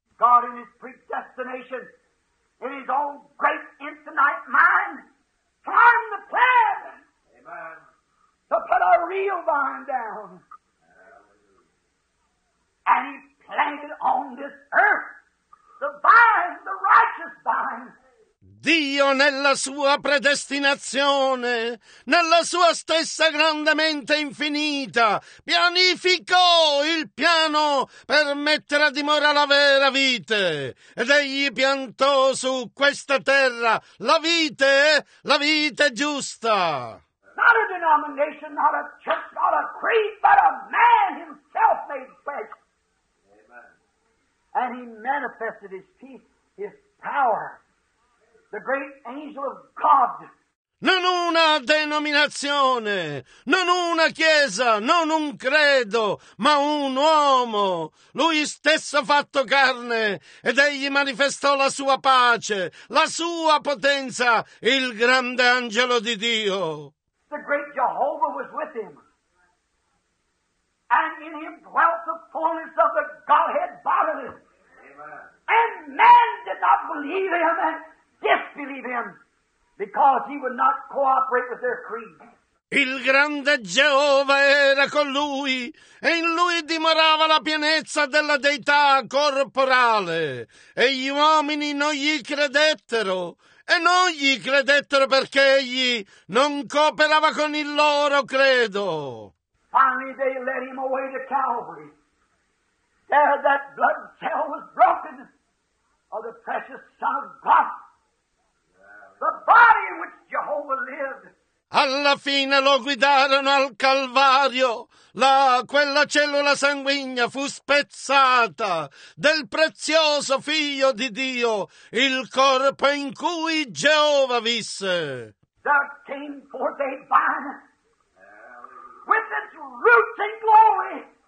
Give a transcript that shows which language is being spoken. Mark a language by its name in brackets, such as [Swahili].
[English] God in his predestination, in his own great infinite mind, formed the plan. Amen. To put a real vine down. And he planted on this earth the vine, the righteous vine. [Italian] Dio nella sua predestinazione, nella sua stessa grande mente infinita, pianificò il piano per mettere a dimora la vera vite. Ed egli piantò su questa terra la vite giusta. [English] Not a denomination, not a church, not a creed, but a man himself made flesh. And he manifested his peace, his power. The great angel of God. [Italian] Non una denominazione, non una chiesa, non un credo, ma un uomo. Lui stesso fatto carne ed egli manifestò la sua pace, la sua potenza, il grande angelo di Dio. [English] The great Jehovah was with him. And in him dwelt the fullness of the Godhead bodily. Amen. And man did not believe him and disbelieve him, because he would not cooperate with their creed. [Italian] Il grande Geova era con lui, e in lui dimorava la pienezza della deità corporale, e gli uomini non gli credettero, e non gli credettero perché egli non cooperava con il loro credo. [English] Finally they led him away to Calvary. There that blood cell was broken of the precious Son of God. The body in which Jehovah lived. [Italian] Alla fine lo guidarono al Calvario. Là, quella cellula sanguigna fu spezzata del prezioso Figlio di Dio, il corpo in cui Geova visse. [English] There came forth a vine with its roots in glory.